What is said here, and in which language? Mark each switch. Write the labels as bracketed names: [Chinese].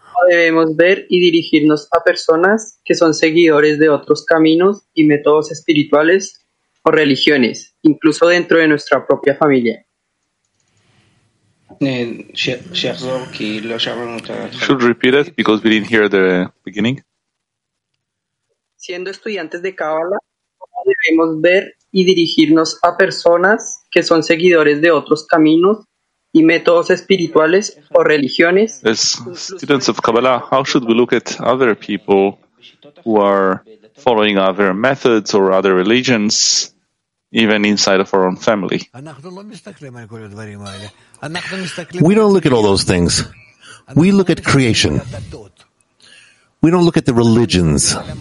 [Spanish] Debemos ver y dirigirnos a personas que son seguidores de otros caminos y métodos espirituales o religiones, incluso dentro de nuestra propia familia. [English] Should repeat it because we didn't hear the beginning. [Spanish] Siendo estudiantes de Kabbalah, ¿cómo debemos ver y dirigirnos a personas que son seguidores de otros caminos y métodos espirituales o religiones? [English] As students of Kabbalah, how should we look at other people who are following other methods or other religions, even inside of our own family? We don't look at all those things. We look at creation. We don't look at the religions.